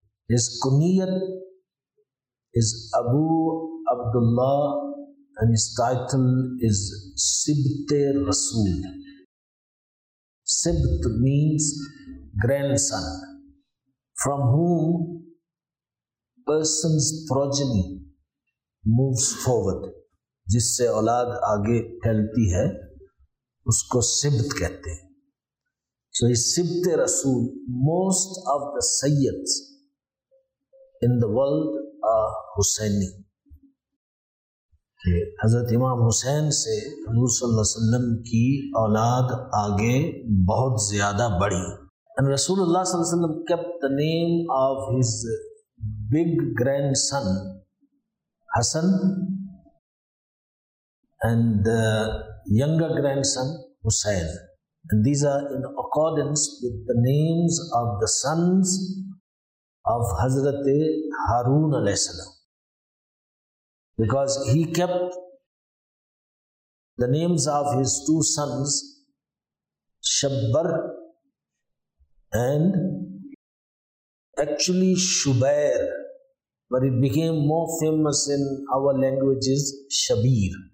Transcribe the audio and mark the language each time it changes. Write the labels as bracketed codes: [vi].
[en] His kunyat is Abu Abdullah and his title is Sibte Rasul. Sibt means grandson, from whom person's progeny moves forward. [ur] جس سے اولاد آگے پھیلتی ہے اس کو سبت کہتے ہیں. [en] So he's سبت رسول. Most of the Sayyids in the world are Husaini. [ur] حضرت امام حسین سے حضور صلی اللہ علیہ وسلم کی اولاد آگے بہت زیادہ بڑھی. [en] And رسول اللہ صلی اللہ علیہ وسلم kept the name of his big grandson Hassan and the younger grandson Hussein, and these are in accordance with the names of the sons of Hazrat Harun alayhi salam, because he kept the names of his two sons Shabbar and actually Shubair, but it became more famous in our languages, Shabir.